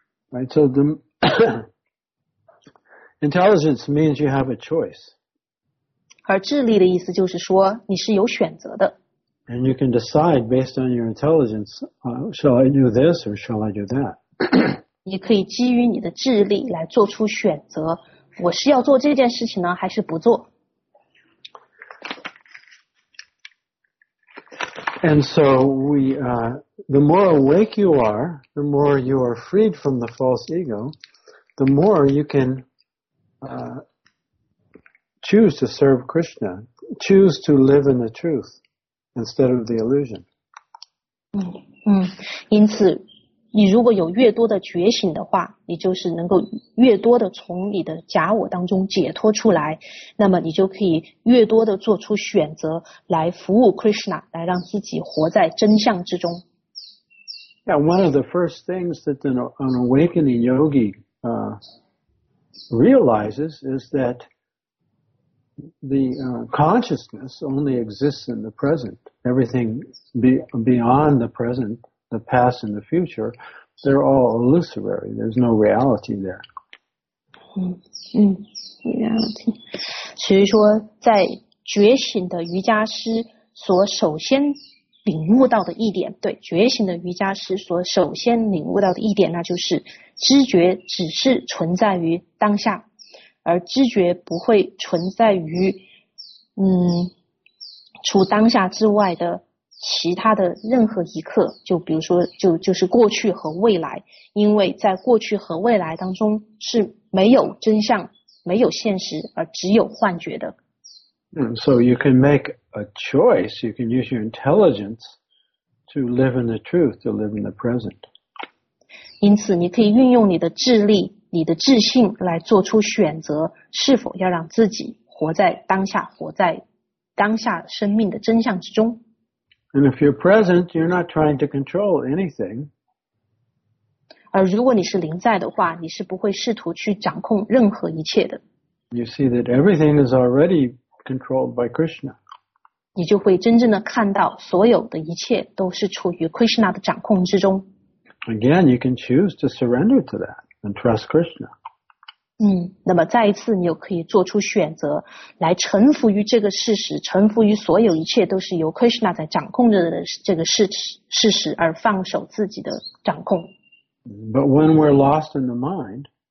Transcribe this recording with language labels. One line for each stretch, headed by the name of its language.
English: Right, so the intelligence means you have a choice.
Chinese: 而智力的意思就是说你是有选择的。
English: And you can decide based on your intelligence, shall I do this or shall I do that?
Chinese: 你可以基于你的智力来做出选择，我是要做这件事情呢，还是不做？
English: And so the more awake you are, the more you are freed from the false ego, the more you can choose to serve Krishna, choose to live in the truth. Instead of the illusion.
Chinese: 因此你如果有越多的觉醒的话，你就是能够越多的从你的假我当中解脱出来，那么你就可以越多的做出选择来服务 Krishna, 来让自己活在真相之中。
English: Yeah, one of the first things that an awakening yogi realizes is thatconsciousness only exists in the present. Everything beyond the present, the past and the future, they're all illusory. There's no reality there. Reality.
Chinese: 所以说在觉醒的瑜伽师所首先领悟到的一点，对，觉醒的瑜伽师所首先领悟到的一点，那就是知觉只是存在于当下。而知觉不会存在于除当下之外的其他的任何一刻，就比如说就是过去和未来，因为在过去和未来当中是没有真相，没有现实，而只有幻觉的。
English: So you can make a choice, you can use your intelligence to live in the truth, to live in the present.
Chinese: 因此你可以运用你的智力，你的智性来做出选择，是否要让自己活在当下，活在当下生命的真相之中。
English: And if you're present, you're not trying to control anything.
Chinese: 而如果你是临在的话，你是不会试图去掌控任何一切的。
English: You see that everything is already controlled by Krishna.
Chinese: 你就会真正的看到所有的一切都是处于 Krishna 的掌控之中。
English: Again, you can choose to surrender to that. And trust Krishna.
Chinese: 那么再一次你又可以做出选择来臣服于这个事实，臣服于所有一切都是由 Krishna 在掌控着的这个事实而放手自己的掌控。
English: But when we're lost in the mind,